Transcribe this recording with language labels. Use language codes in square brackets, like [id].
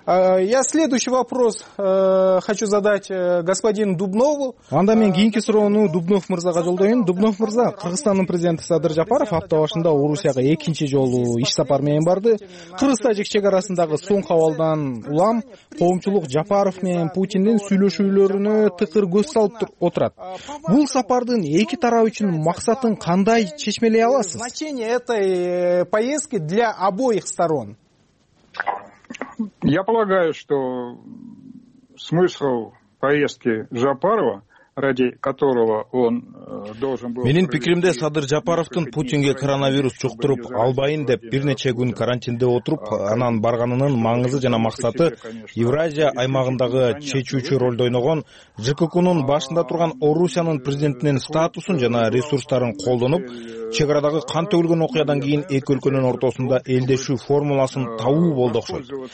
[ru] Я следующий вопрос хочу задать господину Дубнову. [ky] Анда мен кийинки суроону Дубнов мырзага жолдойюн. Дубнов мырза, Кыргызстандын президенти Садыр Жапаров апта башында Орусияга экинчи жолу иш сапар менен барды. Кыргыз тажик чек арасындагы соң кабалдан улам коомчулук Жапаров менен Путиндин сүйлөшүүлөрүнө тыкыр көз салып отурат. Бул сапардын эки тарап үчүн максатын кандай чечмелей аласыз? [ru] Этой поездки для обоих сторон? Я полагаю, что смысл поездки Жапарова, ради которого он должен был... [ky] Менин пикиримде Садыр Жапаровдун Путинге коронавирус жуктуруп албайын деп бир нече күн карантинде отуруп анан барганынын маңызы жана максаты Евразия аймагындагы чечүүчү ролду ойногон ЖККнын башында турган Орусиянын президентинин статусун жана ресурстарын колдонуп чек арадагы кан төгүлгөн окуядан кийин эки өлкөнүн ортосунда элдешүү формуласын табуу болду окшойт.